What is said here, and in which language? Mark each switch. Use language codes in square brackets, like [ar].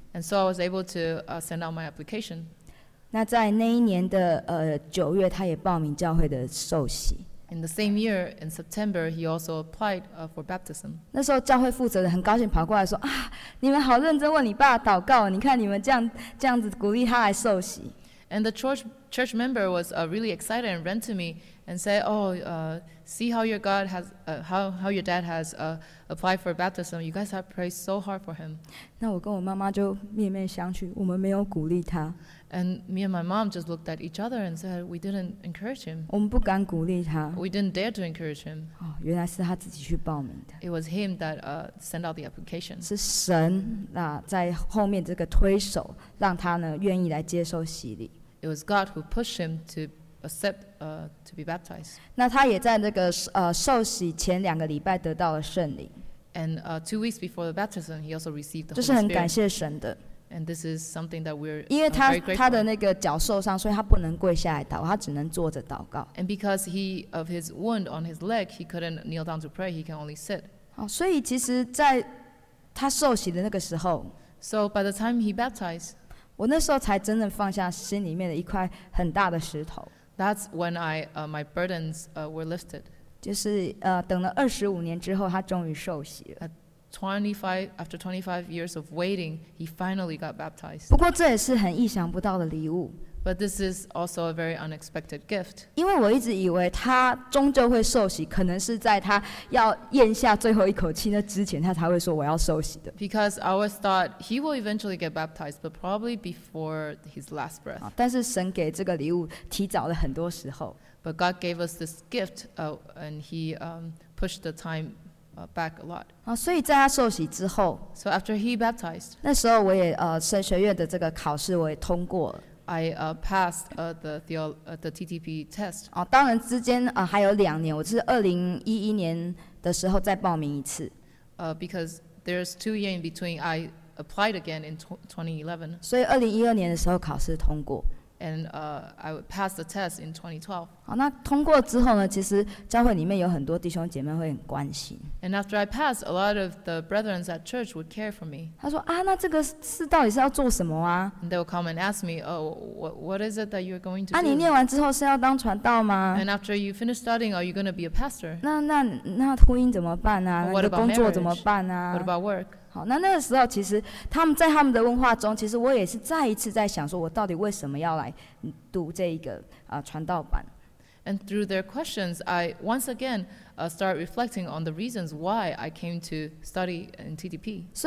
[en] And so I was able to send out my application. [zh] 那在那一年的九月，他也报名教会的受洗。 [en] In the same year, in September, he also applied for baptism. [zh] 那时候教会负责人很高兴跑过来说：“啊，你们好认真为你爸祷告，你看你们这样子鼓励他来受洗。 [en] ”And the church member was really excited and ran to me and say, oh, see how your God has, how your dad has applied for baptism. You guys have prayed so hard for him. [zh] 那我跟我妈妈就面面相觑, 我们没有鼓励他。 [en] And me and my mom just looked at each other and said, we didn't encourage him. [zh] 我们不敢鼓励他。 [en] We didn't dare to encourage him. [zh] 哦, 原来是他自己去报名的。 [en] It was him that sent out the application. [zh] 是神在后面这个推手, 让他呢, 愿意来接受洗礼。 [en] It was God who pushed him to accept to be baptized. [zh] 那他也在那个, 受洗前两个礼拜得到了圣灵。 [en] And 2 weeks before the baptism, he also received the Holy Spirit. [zh] 这是很感谢神的。 [en] And this is something that we're very grateful. [zh] 因为他的那个脚受伤, 所以他不能跪下来祷, 他只能坐着祷告。 [en] And because he of his wound on his leg, he couldn't kneel down to pray, he can only sit. [zh] 好, 所以其实在他受洗的那个时候, [en] So by the time he baptized, [zh] 我那时候才真正放下心里面的一块很大的石头。 [en] That's when I my burdens were lifted. [zh] 就是 等了25年之后, 他终于受洗了。 [en] 25 years of waiting, he finally got baptized. [zh] 不过这也是很意想不到的礼物。 [en] But this is also a very unexpected gift. [zh] 因为我一直以为他终究会受洗, 可能是在他要咽下最后一口气那之前，他才会说我要受洗的。 [en] Because I always thought he will eventually get baptized, but probably before his last breath. [zh] 但是神给这个礼物提早了很多时候。 [en] But God gave us this gift, and he pushed the time back a lot. [zh] 所以在他受洗之后, [en] So after he baptized, [zh] 那时候我也, 神学院的这个考试我也通过了。 [en] I passed the TTP test. [zh] 当然之间, 还有两年, 我是2011年的时候再报名一次。 [en] Because there's 2 years in between, I applied again in 2011. [zh] 所以2012年的时候考试通过。 [en] And I passed the test in 2012. [zh] 好，那通过之后呢？其实教会里面有很多弟兄姐妹会很关心。 [en] And after I passed, a lot of the brethren at church would care for me. [zh] 他说啊，那这个事到底是要做什么啊？ [en] And they'll come and ask me, oh, what is it that you're going to do? [zh] 啊，你念完之后是要当传道吗？ [en] And after you finish studying, are you going to be a pastor? [zh] 那婚姻怎么办啊？ [en] What about [zh] 工作怎么办啊？ [en] What about work? [zh] 好，那那个时候其实他们在他们的问话中，其实我也是再一次在想说，我到底为什么要来读这一个传道版。 [en] And through their questions, I once again start reflecting on the reasons why I came to study in TTP.